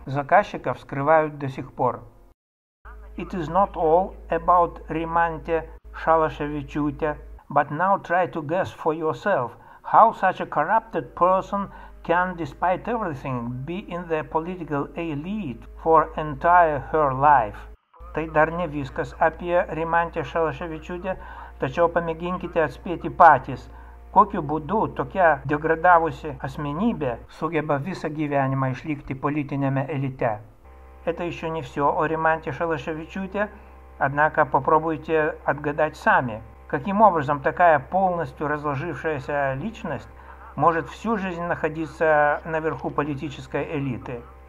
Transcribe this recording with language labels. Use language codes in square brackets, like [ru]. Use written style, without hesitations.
[ru] Заказчиков скрывают до сих пор. [en] It is not all about Rimantė Šalaševičiūtė, but now try to guess for yourself how such a corrupted person can, despite everything, be in the political elite for entire her life. [lt] Tai dar ne viskas apie Rimantę Šalaševičiūtę, tačiau pamėginkite atspėti patys, kokiu būdu tokia degradavusi asmenybė sugeba visą gyvenimą išlikti politiniame elite. [ru] Это еще не все о Rimantė Šalaševičiūtė, однако попробуйте отгадать сами, каким образом такая полностью разложившаяся личность может всю жизнь находиться наверху политической элиты.